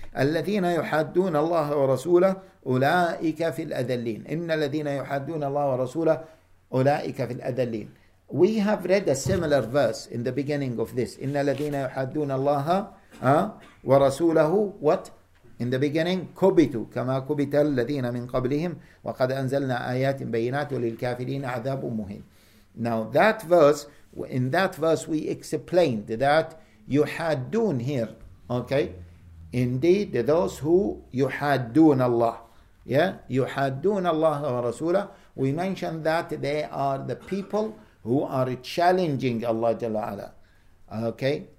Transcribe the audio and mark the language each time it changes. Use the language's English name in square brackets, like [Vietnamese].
[Arabic] الذين يحادون الله ورسوله أولئك في الأذلين. إن الذين يحادون الله ورسوله أولئك في الأذلين. [English] We have read a similar verse in the beginning of this. [Arabic] إن الذين يحادون الله ورسوله [English] what in the beginning [Arabic] كبتوا كما كبت الذين من قبلهم وقد أنزلنا آيات بينات للكافرين عذاب مهين. [English] Now that verse, in that verse we explained that يحادون here, okay. Indeed, those who yuhaddun Allah. Yeah? Yuhaddun Allah wa Rasulah. We mentioned that they are the people who are challenging Allah Jalla Ala. Okay?